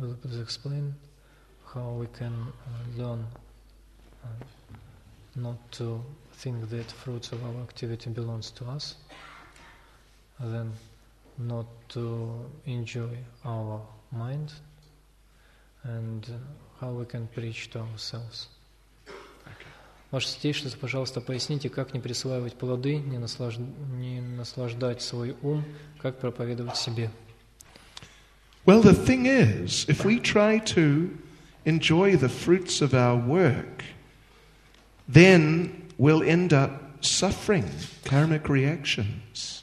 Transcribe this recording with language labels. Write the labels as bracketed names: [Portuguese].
[English] Will you please explain how we can learn not to think that fruits of our activity belongs to us, and then not to enjoy our mind, and how we can preach to ourselves. [Russian] Ваше святейшество, пожалуйста, поясните, как не присваивать плоды, не наслаждать свой ум, как проповедовать себе. [English] Well, the thing is, if we try to enjoy the fruits of our work, then we'll end up suffering karmic reactions.